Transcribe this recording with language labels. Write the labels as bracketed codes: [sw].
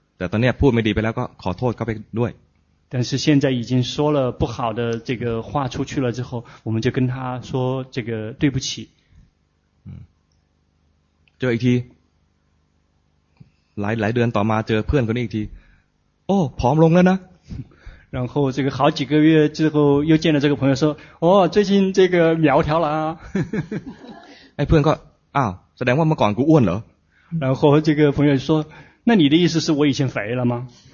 [th] แต่ตอนนี้พูดไม่ดีไปแล้วก็ขอโทษเขาไปด้วย。 [zh] 但是现在已经说了不好的这个话出去了之后，我们就跟他说这个对不起。 [th] เจออีกทีหลายเดือนต่อมาเจอเพื่อนคนนี้อีกทีโอ้ผอมลงแล้วนะ [zh] 然后这个好几个月之后又见了这个朋友说哦最近这个苗条了啊 [th] ไอ้เพื่อนก็อ้าวแสดงว่าเมื่อก่อนกูอ้วนเหรอ [zh] 然后这个朋友说那你的意思是我以前肥了吗